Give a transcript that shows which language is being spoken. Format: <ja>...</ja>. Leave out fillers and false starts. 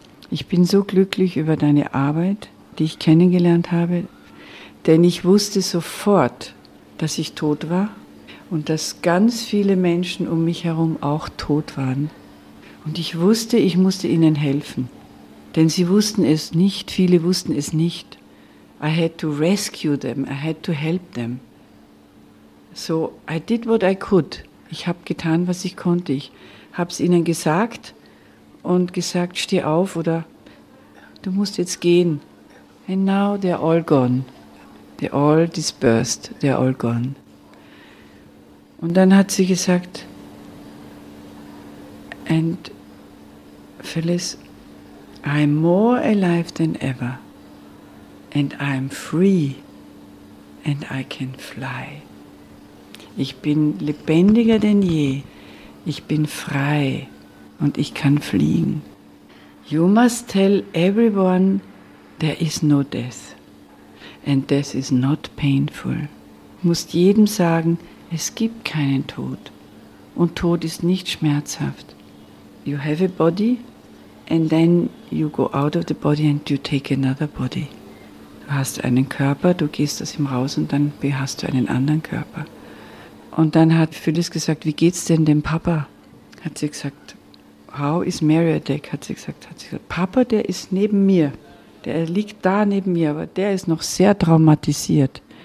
<de>Ich bin so glücklich über deine Arbeit, die ich kennengelernt habe, denn ich wusste sofort, dass ich tot war und dass ganz viele Menschen um mich herum auch tot waren. Und ich wusste, ich musste ihnen helfen, denn sie wussten es nicht, viele wussten es nicht.</de> <en>I had to rescue them, I had to help them. So I did what I could.</en> <de>Ich habe getan, was ich konnte. Ich habe es ihnen gesagt und gesagt, steh auf oder du musst jetzt gehen.</de> <en>And now they're all gone. They're all dispersed, they're all gone.</en> <de>Und dann hat sie gesagt,</de> <en>and Phyllis, I'm more alive than ever. And I'm free. And I can fly.</en> <de>Ich bin lebendiger denn je. Ich bin frei. Und ich kann fliegen.</de> <en>You must tell everyone there is no death. And death is not painful.</en> <de>Du musst jedem sagen, es gibt keinen Tod. Und Tod ist nicht schmerzhaft.</de> <en>You have a body. And then you go out of the body and you take another body.</en> <de>Du hast einen Körper, du gehst aus ihm raus und dann hast du einen anderen Körper. Und dann hat Phyllis gesagt, wie geht's denn dem Papa? Hat sie gesagt,</de> <en>how is Mary at deck?</en> <de>Hat sie gesagt, Papa, der ist neben mir. Der liegt da neben mir, aber der ist noch sehr traumatisiert.</de>